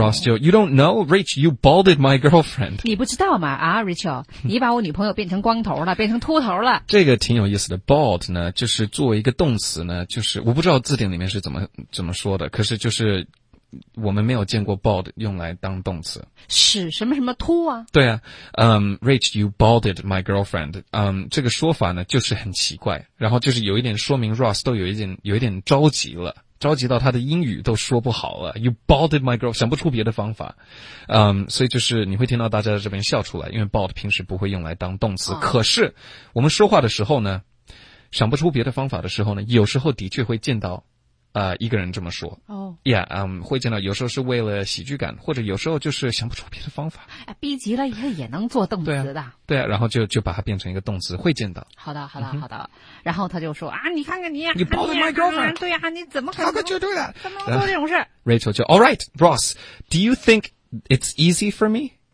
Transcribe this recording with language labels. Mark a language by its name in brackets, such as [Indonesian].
[English] Ross 就 you don't know Rich you balded my girlfriend [Chinese] 你不知道吗啊 Rachel 你把我女朋友变成光头了变成秃头了这个挺有意思的 bald 呢就是作为一个动词呢就是我不知道字典里面是怎么说的可是就是我们没有见过 bald 用来当动词是什么什么秃啊对啊 [English] Rich you balded my girlfriend [Chinese] 这个说法呢就是很奇怪然后就是有一点说明 Ross 都有一点着急了着急到他的英语都说不好啊 ， [English] You balled my girl， [Chinese] 想不出别的方法，嗯、所以就是你会听到大家在这边笑出来，因为 bald 平时不会用来当动词，可是我们说话的时候呢，想不出别的方法的时候呢，有时候的确会见到。一个人这么说哦、，Yeah， 会见到有时候是为了喜剧感，或者有时候就是想不出别的方法。哎，逼急了以后也能做动词的，对啊，对啊，然后就把它变成一个动词，会见到。好的，好的，好的。然后他就说啊，你看看你，你 bald my girlfriend，对呀、啊，你怎么可能就对了？怎么能做这种事 [English] ？Rachel 就 All right， Ross， Do you think it's easy for me？